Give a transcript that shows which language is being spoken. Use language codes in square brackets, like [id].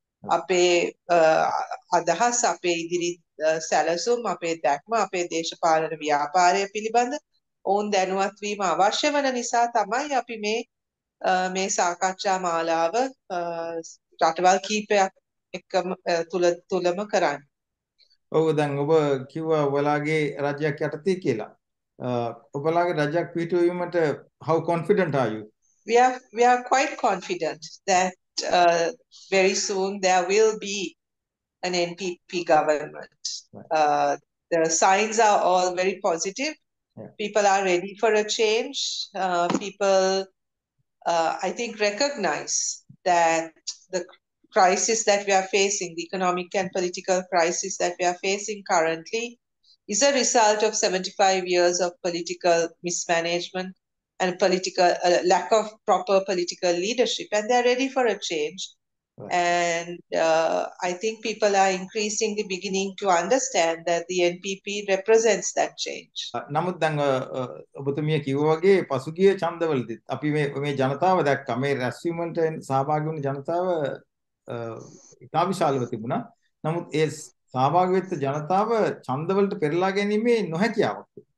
[si] අපේ අදහස්, අපේ ඉදිරි සැලසුම්, අපේ දැක්ම, අපේ දේශපාලන ව්‍යාපාරය පිළිබඳ ඔවුන් දැනුවත් වීම අවශ්‍ය වන නිසා තමයි අපි මේ සාකච්ඡා මාලාව රටවල් කීපයක් එකම තුලම කරන්න. ඔව්, දැන් ඔබ කිව්වා ඔබලාගේ රජයක් යටතේ කියලා. ඔබලාගේ රජයක් පිටවීමට [en] how confident are you? We are quite confident that very soon there will be an NPP government. The signs are all very positive. Yeah. People are ready for a change. People I think recognize that the crisis that we are facing, the economic and political crisis that we are facing currently, is a result of 75 years of political mismanagement and political lack of proper political leadership, and they are ready for a change. Right. And I think people are increasingly beginning to understand that the NPP represents that change. [si] නමුත් දැන් ඔබතුමිය කිව්වා වගේ පසුගිය ඡන්දවලදීත් අපි මේ ජනතාව දැක්කා. මේ රැස්වීමට සහභාගී වුණු ජනතාව ඉතා විශාලව තිබුණා. නමුත් ඒ සහභාගී වෙච්ච ජනතාව ඡන්දවලට පෙරලා ගැනීමේ නොහැකියාවක්.